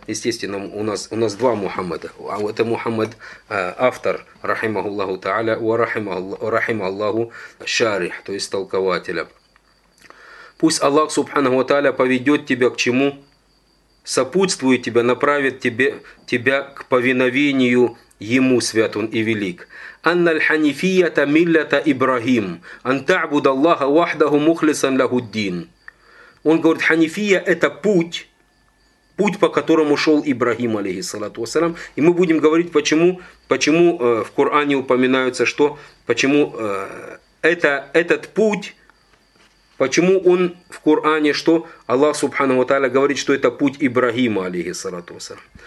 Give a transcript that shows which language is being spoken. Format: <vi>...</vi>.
<ru>Естественно, у нас два Мухаммеда. А это Мухаммед, автор, рахимахуллаху та'аля, и рахимахуллаху шарих, то есть толкователя. Пусть Аллах субханаху та'аля поведет тебя к чему? Сопутствует тебя, направит тебя к повиновению ему, свят он и велик.</ru> <ar>أن الحنيفية ملة إبراهيم أن تعبد الله وحده مخلصا له الدين.</ar> <ru>Он говорит, ханифия — это путь, по которому шел Ибрахим, алейхиссалату вассалям. И мы будем говорить, почему в Коране упоминается, что почему этот путь, почему он в Коране, что Аллах субханаху ва тааля говорит, что это путь Ибрахима, алейхиссалату вассалям.</ru>